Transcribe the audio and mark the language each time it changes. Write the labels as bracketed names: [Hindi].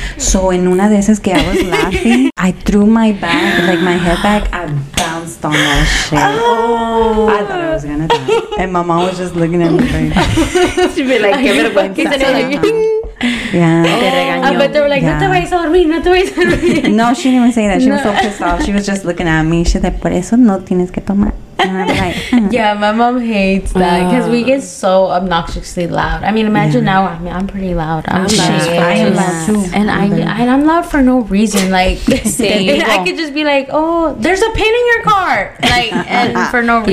[English] So, [Spanish] en una de esas que [English] I was laughing, I threw my back, like, my head back. I bounced on that shit. Oh. I thought I was going to die. And my mom was just looking at me crazy. She'd be like, give it a fucking Yeah. Oh, but they were like, [Spanish] no te vayas a dormir, no te vayas a dormir. [English] No, she didn't even say that. She was so pissed off. She was just looking at me. She's like, [Spanish] por eso no tienes que tomar. [English] Yeah, my mom hates that because we get so obnoxiously loud. I mean, imagine now. I mean, I'm pretty loud. I'm loud for no reason. Like, I could just be like, "Oh, there's a pin in your car," like, and for no reason.